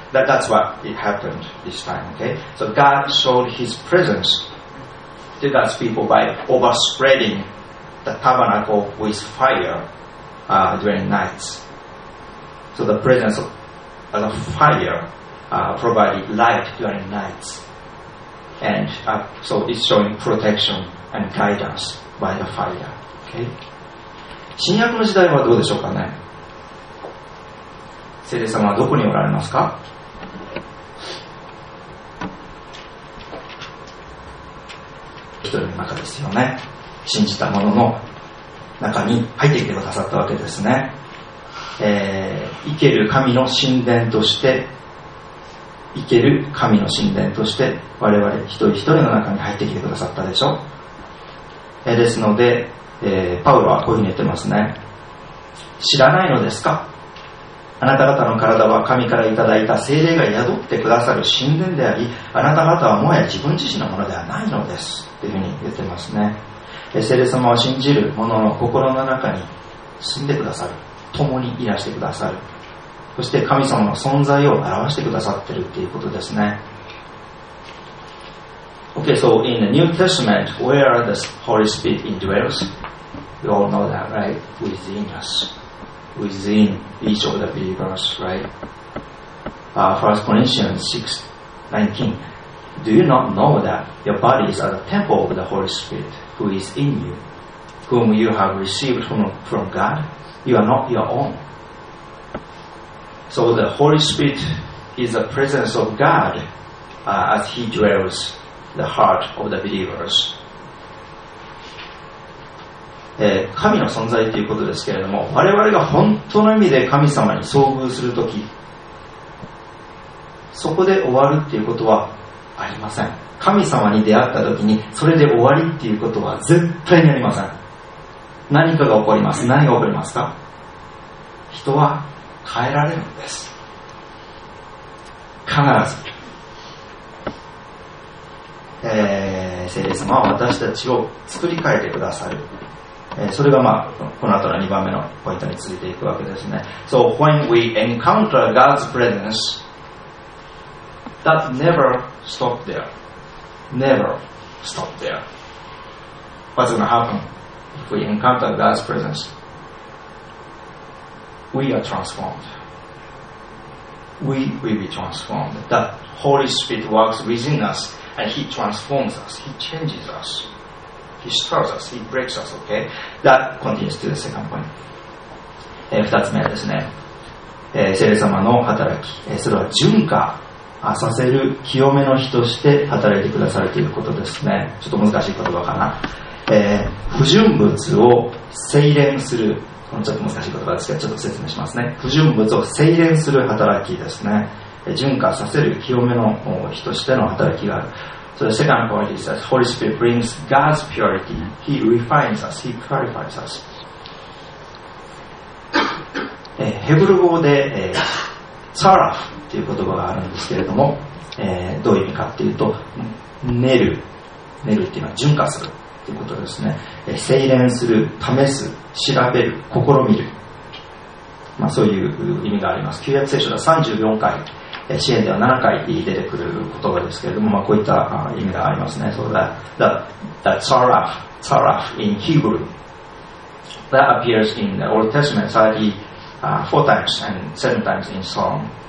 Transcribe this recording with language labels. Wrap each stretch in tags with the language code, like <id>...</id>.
<en>That's what it happened this time, okay? So God showed his presence to God's people by overspreading the tabernacle with fire during nights. So the presence of the fire provided light during nights. And so it's showing protection and guidance by the fire, okay?</en> <ja>新約の時代はどうでしょうかね？聖霊様はどこにおられますか？一人の中ですよね。信じた者の中に入ってきてくださったわけですね。生ける神の神殿として、生ける神の神殿として我々一人一人の中に入ってきてくださったでしょ。ですので、パウロはこういうふうに言ってますね。知らないのですか？あなた方の体は神からいただいた聖霊が宿ってくださる神殿であり、あなた方はもはや自分自身のものではないのですというふうに言ってますね。聖霊様は信じる者の心の中に住んでくださる、共にいらしてくださる、そして神様の存在を表してくださっているということですね。</ja> <en>OK, so in the New Testament, where are the Holy Spirit indwells? We all know that, right? Within usWithin each of the believers, right? 1 Corinthians 6:19. Do you not know that your bodies are the temple of the Holy Spirit who is in you, whom you have received from God, you are not your own. So the Holy Spirit is the presence of God、as He dwells the heart of the believers.</en> <ja>神の存在ということですけれども、我々が本当の意味で神様に遭遇するとき、そこで終わるということはありません。神様に出会ったときにそれで終わりということは絶対にありません。何かが起こります。何が起こりますか。人は変えられるんです。必ず、聖霊様は私たちを作り変えてくださる。それがまあこの後の2番目のポイントに続いていくわけですね。</ja> <en>So when we encounter God's presence, that never stop there. Never stop there. What's going to happen if we encounter God's presence? We are transformed. We will be transformed. That Holy Spirit works within us and He transforms us. He changes us. He stirs us, He breaks us, okay? That continues to the second point.</en> <ja>二つ目はですね、聖霊様の働き、それは純化させる清めの日として働いてくださるということですね。ちょっと難しい言葉かな。不純物を清廉する、このちょっと難しい言葉ですけど、ちょっと説明しますね。不純物を清廉する働きですね。純化させる清めの日としての働きがある。</ja> <en>So the second point is that Holy Spirit brings God's purity. He refines us. He purifies us.</en> <ja>ヘブル語で、サラフという言葉があるんですけれども、どういう意味かというと、練るというのは純化するということですね。精錬する、試す、調べる、試みる、まあ、そういう意味があります。旧約聖書では34回、詩篇では7回出てくる言葉ですけれども、まあ、こういった意味がありますね。</ja> <en>So that Tzaraf in Hebrew that appears in the Old Testament 34 times and 7 times in Psalm.</en>